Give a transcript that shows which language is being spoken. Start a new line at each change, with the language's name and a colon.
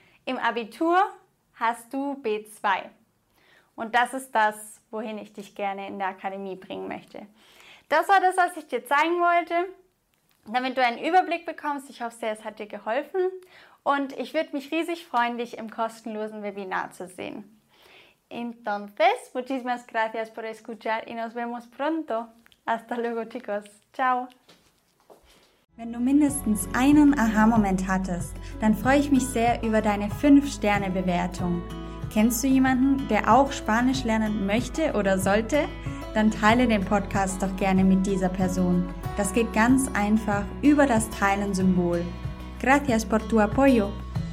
German: Im Abitur hast du B2. Und das ist das, wohin ich dich gerne in der Akademie bringen möchte. Das war das, was ich dir zeigen wollte, damit du einen Überblick bekommst. Ich hoffe sehr, es hat dir geholfen. Und ich würde mich riesig freuen, dich im kostenlosen Webinar zu sehen.
Spanish: Entonces, muchísimas gracias por escuchar y nos vemos pronto. Hasta luego, chicos. Ciao.
German: Wenn du mindestens einen Aha-Moment hattest, dann freue ich mich sehr über deine 5-Sterne-Bewertung. Kennst du jemanden, der auch Spanisch lernen möchte oder sollte? Dann teile den Podcast doch gerne mit dieser Person. Das geht ganz einfach über das Teilen-Symbol.
Spanish: Gracias por tu apoyo.